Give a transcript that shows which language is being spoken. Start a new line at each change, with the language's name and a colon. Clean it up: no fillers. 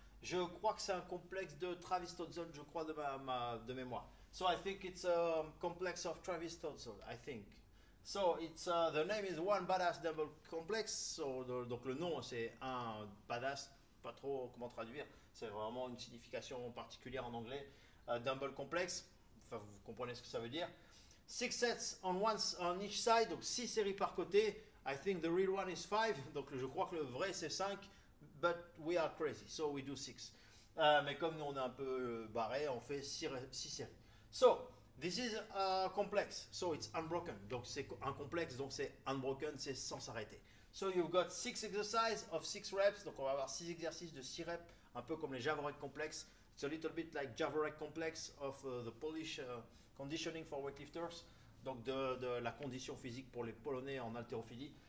French: Je crois que c'est un complexe de Travis Toedsel, je crois, de mémoire.
English: So I think it's a complex of Travis Toedsel, I think. So it's the name is One Badass Dumbbell Complex.
French: So, donc le nom, c'est un badass, pas trop comment traduire. C'est vraiment une signification particulière en anglais. Dumbbell Complex, enfin, vous comprenez ce que ça veut dire.
English: Six sets on once on each side,
French: donc six séries par côté.
English: I think the real one is 5,
French: donc je crois que le vrai c'est 5,
English: but we are crazy, so we do 6.
French: Mais comme nous on est un peu barré, on fait 6 séries.
English: So, this is a complex, so it's unbroken.
French: Donc c'est un complexe, donc c'est unbroken, c'est sans s'arrêter.
English: So you've got 6 exercises of 6 reps,
French: donc on va avoir 6 exercices de 6 reps, un peu comme les Javorek complex.
English: It's a little bit like Javorek complex of the Polish conditioning for weightlifters.
French: Donc de la condition physique pour les Polonais en haltérophilie.